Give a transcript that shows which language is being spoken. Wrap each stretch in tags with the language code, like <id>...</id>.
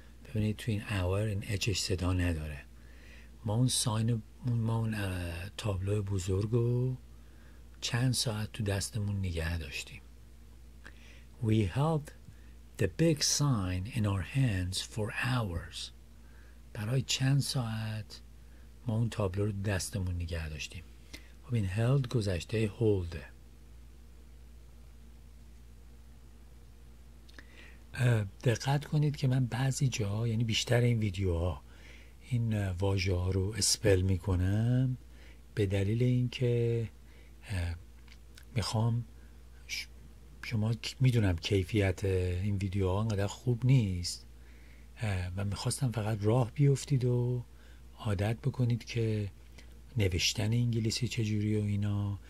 <fa>ببینید توی این hour این اچش صدا نداره. ما اون ساین ما اون تابلو بزرگ رو چند ساعت تو دستمون نگه داشتیم.</fa> <en>We held the big sign in our hands for hours.</en> <fa>برای چند ساعت ما اون تابلو رو دستمون نگه داشتیم. خب این held گذشته hold. دقت کنید که من بعضی جاها یعنی بیشتر این ویدیوها این واژه ها رو اسپل می کنم به دلیل اینکه میخوام شما میدونم کیفیت این ویدیوها انقدر خوب نیست و میخواستم فقط راه بیفتید و عادت بکنید که نوشتن انگلیسی چجوری و اینا.</fa>